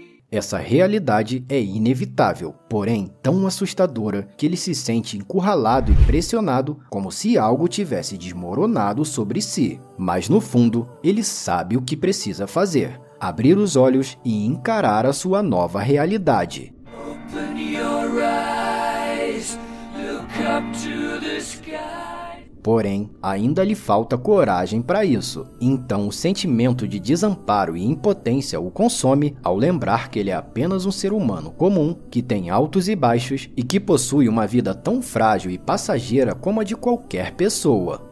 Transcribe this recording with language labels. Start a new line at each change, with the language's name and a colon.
Portuguese: Essa realidade é inevitável, porém tão assustadora que ele se sente encurralado e pressionado como se algo tivesse desmoronado sobre si. Mas no fundo, ele sabe o que precisa fazer: abrir os olhos e encarar a sua nova realidade.
English: Open your eyes, look up to the sky.
Portuguese: Porém, ainda lhe falta coragem para isso. Então, o sentimento de desamparo e impotência o consome ao lembrar que ele é apenas um ser humano comum, que tem altos e baixos e que possui uma vida tão frágil e passageira como a de qualquer pessoa.